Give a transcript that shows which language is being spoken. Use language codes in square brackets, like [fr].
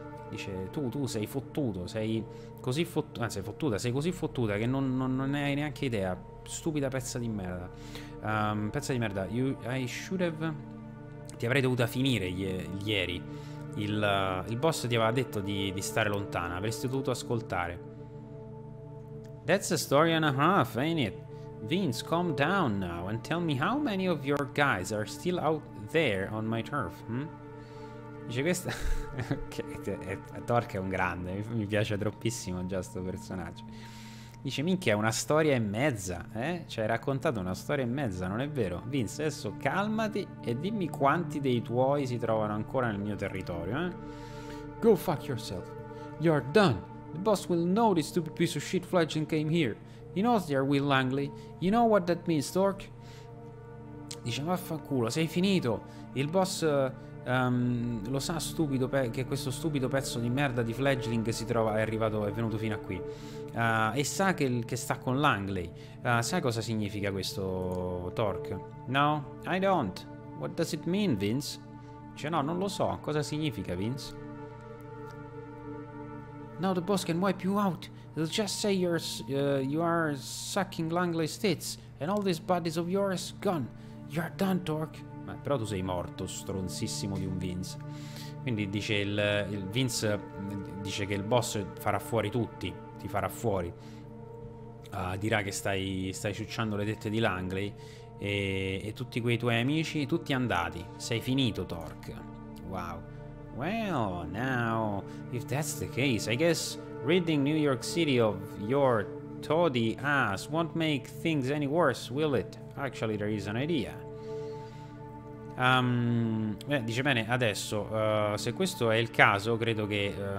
[it] Dice, tu sei fottuto, sei così fottuta, anzi fottuta, sei così fottuta che non hai neanche idea. Stupida pezza di merda. Pezza di merda, ti avrei dovuta finire ieri. Il boss ti aveva detto di stare lontana, avresti dovuto ascoltare. [en] That's a story and a half, ain't it? Vince, calm down now and tell me how many of your guys are still out there on my turf, [it] Dice questa... Ok, Torque è un grande, mi piace troppissimo già sto personaggio. [en] Dice, minchia, [it] è una storia e mezza, Cioè, hai raccontato una storia e mezza, non è vero? Vince, adesso calmati e dimmi quanti dei tuoi si trovano ancora nel mio territorio, [en] Go fuck yourself. You're done. The boss will know this stupid piece of shit fledgling came here. He knows they are Will Langley. You know what that means, Torque? [it] Dice, vaffanculo, sei finito. Il boss lo sa, stupido, che questo stupido pezzo di merda di fledgling si trova, è venuto fino a qui. E sa che sta con Langley. Sai cosa significa questo, Torque? [en] No, I don't. What does it mean, Vince? [it] Cioè, no, non lo so. Cosa significa, Vince? [en] Now the boss can wipe you out. They'll just say you are sucking Langley's tits and all these bodies of yours gone. You're done, Torque. [it] Ma però tu sei morto, stronzissimo di un Vince. Quindi dice il Vince dice che il boss farà fuori tutti, ti farà fuori. Dirà che stai ciucciando le tette di Langley e tutti quei tuoi amici, tutti andati. Sei finito, Torque. Wow. [en] Well, now, if that's the case, I guess ridding New York City of your toady ass won't make things any worse, will it? Actually, there is an idea. [it] Dice bene, adesso, se questo è il caso, credo che...